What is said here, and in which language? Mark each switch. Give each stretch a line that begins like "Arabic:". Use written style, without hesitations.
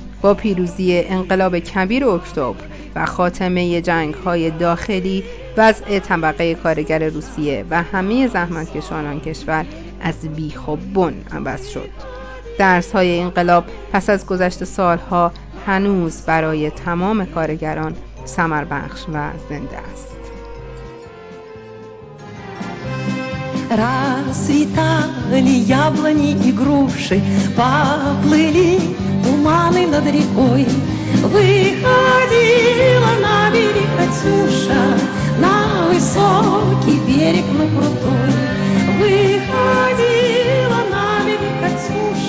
Persian: با پیروزی انقلاب کبیر اکتبر و خاتمه جنگ‌های داخلی، وضع طبقه کارگر روسیه و همه زحمتکشان آن کشور از بیخ و بن عوض شد. درس های انقلاب پس از گذشت سالها هنوز برای تمام کارگران ثمر بخش و زنده است.
Ukrainian: Расцвітали яблоні і груші, поплили тумани над рікою. Виходила на берег Катюша, на високий берег на крутой. Виходила на берег Катюша.